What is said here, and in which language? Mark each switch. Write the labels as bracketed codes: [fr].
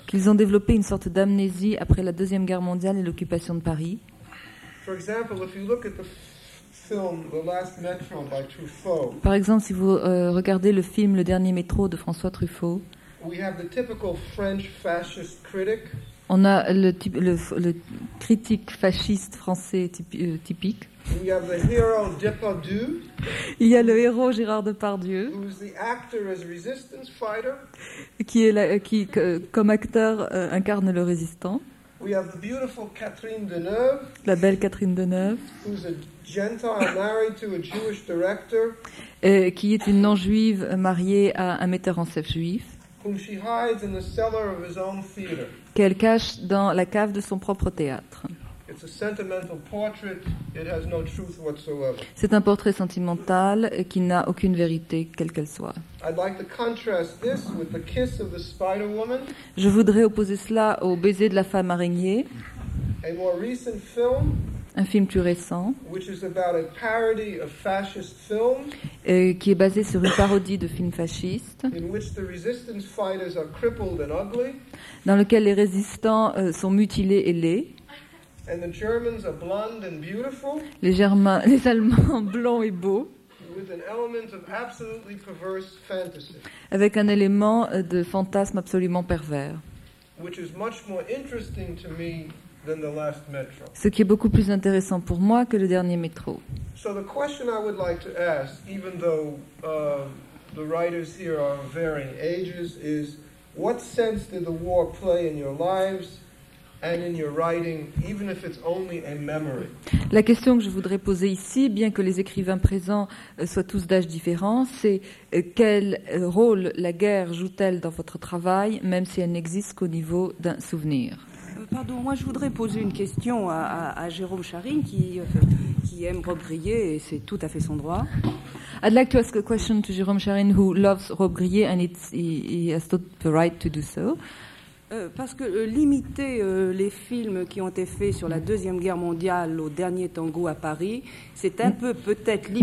[fr] Qu'ils ont développé une sorte d'amnésie après la Deuxième Guerre mondiale et l'occupation de Paris. [en] For example, if you look at the film The Last Metro by Truffaut. [fr] Par exemple, si vous regardez le film Le Dernier Métro de François Truffaut, [en] we have the typical French fascist critic. [fr] On a le critique fasciste français typique. [en] We have the hero Depardieu. [fr] Il y a le héros Gérard Depardieu, [en] who's the actor as resistance fighter. [fr] qui comme acteur incarne le résistant. [en] We have the beautiful Catherine Deneuve, [fr] la belle Catherine Deneuve, [en] who's a Gentile married to a Jewish director, [fr] qui est une non-juive mariée à un metteur en chef juif, [en] whom she hides in the cellar of his own theater. [fr] Qu'elle cache dans la cave de son propre théâtre. [en] It's a sentimental portrait. It has no truth whatsoever. [fr] C'est un portrait sentimental qui n'a aucune vérité, quelle qu'elle soit. [en] I'd like to contrast this with the kiss of the spider woman. [fr] Je voudrais opposer cela au baiser de la femme araignée. [en] A more recent film. [fr] Un film plus récent. [en] Which is about a parody of fascist films. [fr] Qui est basé sur une parodie de films fascistes. [en] In which the resistance fighters are crippled and ugly. [fr] Dans lequel les résistants sont mutilés et laids. [en] And the Germans are blonde and beautiful. [fr] Les Allemands blonds et beaux. [en] With an element of absolutely perverse fantasy. [fr] Avec un élément de fantasme absolument pervers. [en] Which is much more interesting to me than the last metro. [fr] Ce qui est beaucoup plus intéressant pour moi que le dernier métro. [en] So the question I would like to ask, even though the writers here are of varying ages, is what sense did the war play in your lives? And in your writing, even if it's only a memory. [fr] La question que je voudrais poser ici, bien que les écrivains présents soient tous d'âge différent, c'est quel rôle la guerre joue-t-elle dans votre travail, même si elle n'existe qu'au niveau d'un souvenir. Pardon, moi je voudrais poser une question à Jerome Charyn, qui aime Rob Grier, et c'est tout à fait son droit. [en] I'd like to ask a question to Jerome Charyn, who loves Rob Grier, and he has the right to do so. [fr] Parce que limiter les films qui ont été faits sur la Deuxième Guerre mondiale au dernier tango à Paris, c'est un peu peut-être limiter...